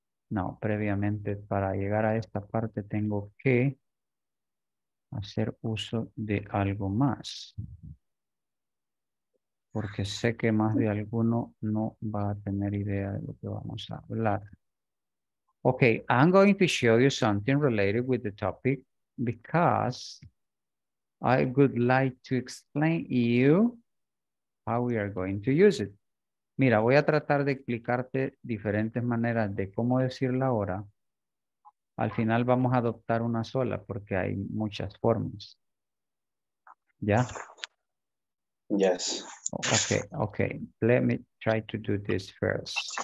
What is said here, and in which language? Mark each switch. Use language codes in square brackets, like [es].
[es] No, previamente para llegar a esta parte tengo que hacer uso de algo más. Porque sé que más de alguno no va a tener idea de lo que vamos a hablar. [en] Okay, I'm going to show you something related with the topic because I would like to explain you how we are going to use it. [es] Mira, voy a tratar de explicarte diferentes maneras de cómo decir la hora. Al final vamos a adoptar una sola porque hay muchas formas. ¿Ya? [en] Yes. Okay, okay. Let me try to do this first.